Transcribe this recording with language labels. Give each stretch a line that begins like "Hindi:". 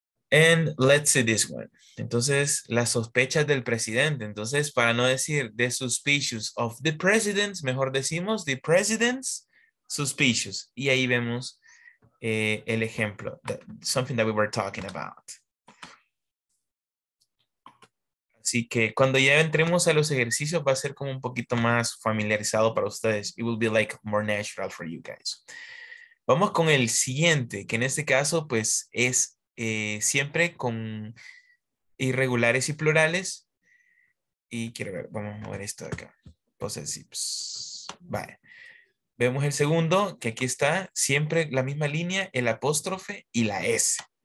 English: And let's see this one.
Spanish: Entonces, las sospechas del presidente. Entonces, para no decir
English: the suspicious of the president,
Spanish: mejor decimos
English: the president's suspicious.
Spanish: Y ahí vemos el ejemplo,
English: something that we were talking about.
Spanish: Así que cuando ya entremos a los ejercicios, va a ser como un poquito más familiarizado para ustedes.
English: It will be like more natural for you guys.
Spanish: Vamos con el siguiente, que en este caso, pues, es siempre con irregulares y plurales. Y quiero ver, vamos a mover esto de acá. Possessives. Vale. Vemos el segundo, que aquí está siempre la misma línea, el apóstrofe y la S.